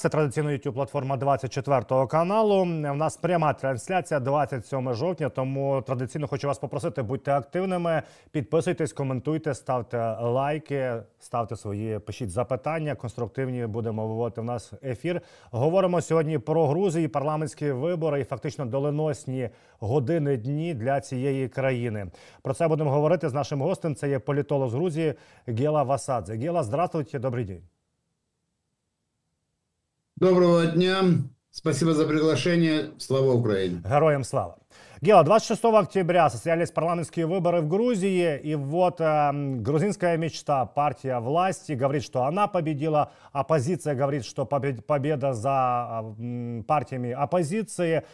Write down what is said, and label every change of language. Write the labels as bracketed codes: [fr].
[uk] Це традиційна YouTube-платформа 24 каналу. У нас пряма трансляція 27 жовтня, тому традиційно хочу вас попросити, будьте активними, підписуйтесь, коментуйте, ставте лайки, ставте свої, пишіть запитання, конструктивні, будемо виводити в нас ефір. Говоримо сьогодні про Грузію, парламентські вибори і фактично доленосні години, дні для цієї країни. Про це будемо говорити з нашим гостем, це є політолог з Грузії Гела Васадзе. Гела, здравствуйте, добрий день. Доброго дня. [ru] Спасибо за приглашение. Слава Украине. Героям слава. Гела, 26 октября состоялись парламентские выборы в Грузии. И вот грузинская мечта, партия власти говорит, что она победила. Оппозиция говорит, что победа за партиями оппозиции.